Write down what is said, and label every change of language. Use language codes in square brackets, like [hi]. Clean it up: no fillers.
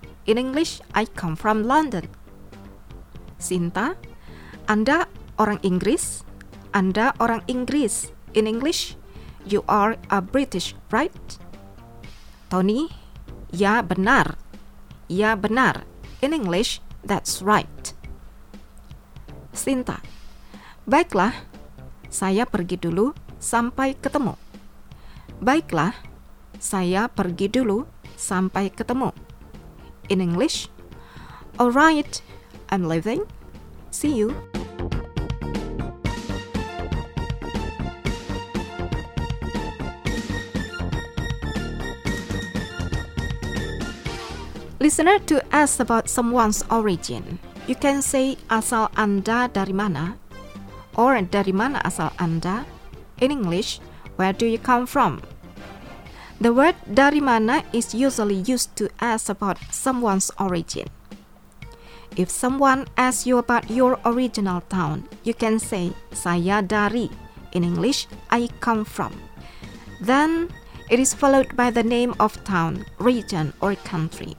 [en] In English, I come from London. [id] Sinta, Anda orang Inggris? Anda orang Inggris. [en] In English, you are a British, right? Tony, [id] ya benar. Ya benar. [en] In English, that's right. [id] Sinta. Baiklah, saya pergi dulu, sampai ketemu. Baiklah, saya pergi dulu, sampai ketemu. [en] In English, alright, I'm leaving. See you. Listener to ask about someone's origin. You can say [id] asal Anda dari mana, [en] or [id] dari mana asal Anda. [en] In English, where do you come from? The word [id] dari mana [en] is usually used to ask about someone's origin. If someone asks you about your original town, you can say [id] saya dari. [en] In English, I come from. Then it is followed by the name of town, region, or country.